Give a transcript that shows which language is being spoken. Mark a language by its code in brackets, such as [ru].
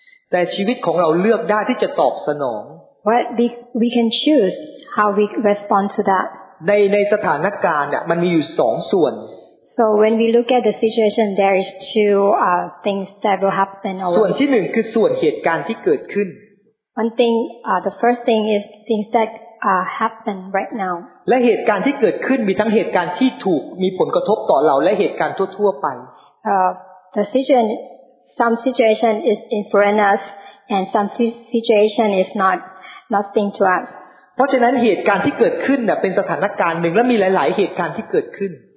[th] แต่ชีวิตของเราเลือกได้ที่จะตอบสนอง [en] What we can choose how we respond to that. [th] ในสถานการณ์เนี่ยมันมีอยู่สองส่วน [en] So when we look at the situation, there is two things that will happen. [th] ส่วนที่หนึ่งคือส่วนเหตุการณ์ที่เกิดขึ้น [en] One thing, the first thing is things that happen right now. [th] และเหตุการณ์ที่เกิดขึ้นมีทั้งเหตุการณ์ที่ถูกมีผลกระทบต่อเราและเหตุการณ์ทั่วๆไป [en] The situation, some situation is influence us, and some situation is not. Nothing to us. [th] เพราะฉะนั้นเหตุการณ์ที่เกิดขึ้นเป็นสถานการณ์หนึ่งและมีหลายๆเหตุการณ์ที่เกิดขึ้น